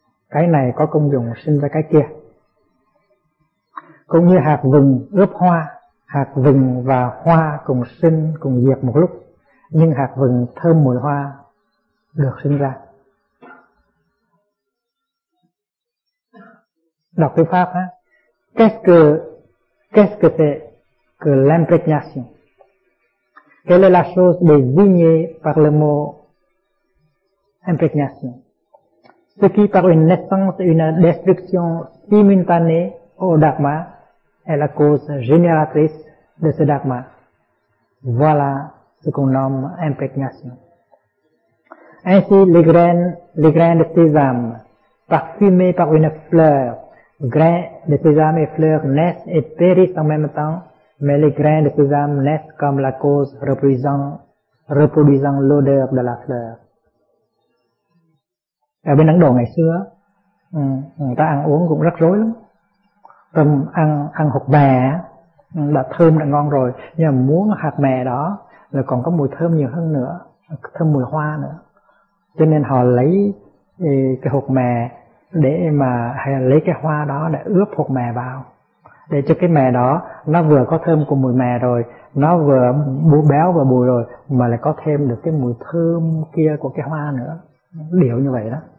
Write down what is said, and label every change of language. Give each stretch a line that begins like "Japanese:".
Vietnamese: Cái này có công dụng sinh ra cái kia. Cũng như hạt vừng ướp hoa, hạt vừng và hoa cùng sinh cùng diệt một lúc, nhưng hạt vừng thơm mùi hoa được sinh ra. Đọc cái pháp á,
French: qu'est-ce que c'est que l'imprégnation? Quelle est la chose désignée par le mot imprégnation? Ce qui par une naissance et une destruction simultanée au dharma est la cause génératrice de ce dharma. Voilà ce qu'on nomme imprégnation. Ainsi, les graines de sésame, parfumées par une fleur, grains de sésame et fleurs naissent et périssent en même temps. Mais les grains de sésame naissent comme la cause reproduisant l'odeur de la fleur.
Vietnamese: Ở bên Ấn Độ ngày xưa, người ta ăn uống cũng rất rối lắm. Tâm ăn hột mè đã thơm đã ngon rồi, nhưng mà muốn hạt mè đó là còn có mùi thơm nhiều hơn nữa, thơm mùi hoa nữa. Cho nên họ lấy cái hột mè để mà, hay là lấy cái hoa đó để ướp hột mè vào, để cho cái mè đó nó vừa có thơm của mùi mè rồi, nó vừa bùi béo và bùi rồi, mà lại có thêm được cái mùi thơm kia của cái hoa nữa. Điều như vậy đó.